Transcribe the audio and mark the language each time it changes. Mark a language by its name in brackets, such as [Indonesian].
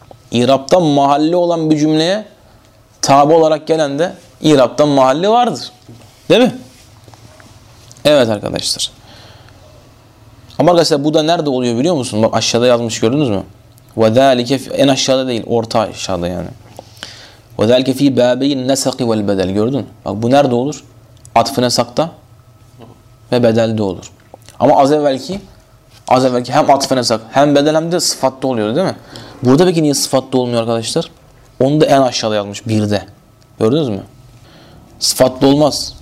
[Turkish] İrab'dan mahalli olan bir cümleye tabi olarak gelen de İrab'dan mahalli vardır. Değil mi? Evet arkadaşlar. Ama arkadaşlar bu da nerede oluyor biliyor musun? Bak aşağıda yazmış, gördünüz mü? وَذَٰلِكَ En aşağıda değil, orta aşağıda yani. [Arabic] وَذَٰلِكَ ف۪ي بَابَيْ النَّسَقِ وَالْبَدَلِ [Turkish] Gördün. Bak bu nerede olur? Atf-ı nesakta ve bedelde olur. Ama az evvelki hem atf-ı nesak hem bedel hem de sıfatta oluyor, değil mi? Burada peki niye sıfatta olmuyor arkadaşlar? Onu da en aşağıda yazmış, birde. Gördünüz mü? Sıfatta olmaz.